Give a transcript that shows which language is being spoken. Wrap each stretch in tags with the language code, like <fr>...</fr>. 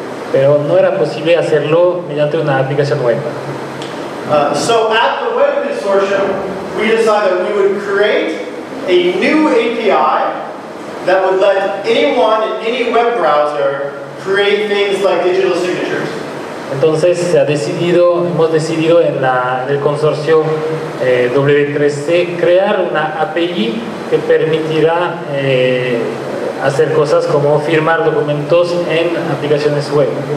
<es>Pero no era posible hacerlo mediante una aplicación web.</es> <en>So at the web consortium, we decided we would create a new API that would let anyone in any web browser create things like digital signatures.</en> <es>Entonces hemos decidido en el consorcio W3C crear una API que permitirá hacer cosas como firmar documentos en aplicaciones web.</es>